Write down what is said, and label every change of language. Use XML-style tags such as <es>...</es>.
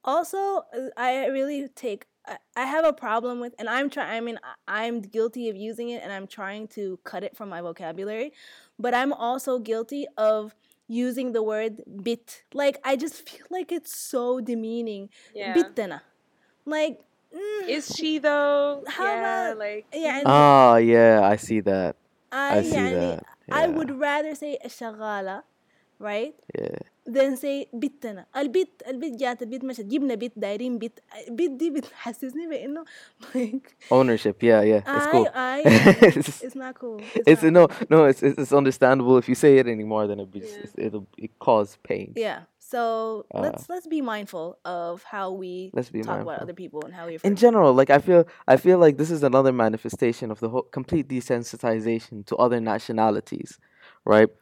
<en>Also, I really take, I have a problem with, and I'm trying, I mean, I'm guilty of using it and I'm trying to cut it from my vocabulary, but I'm also guilty of using the word bit. Like, I just feel like it's so demeaning. Yeah. Bitena. Like, is she though? How yeah, about, like, yeah. Oh, yeah, I see that. I see that. Yeah. I would rather say shagala, right? Yeah. Then say</en> <ar>بيتنا البيت جات البيت مشت جبنا بيت دايرين بيت بيت دي بتحسسني بأنه</ar> <en>like ownership. Yeah it's cool. It's not cool. It's not cool. No, it's understandable if you say it anymore, then it'll cause pain. Yeah, so let's be mindful of how we talk about other people and how we in general, like I feel like this is another manifestation of the whole complete desensitization to other nationalities, right?</en>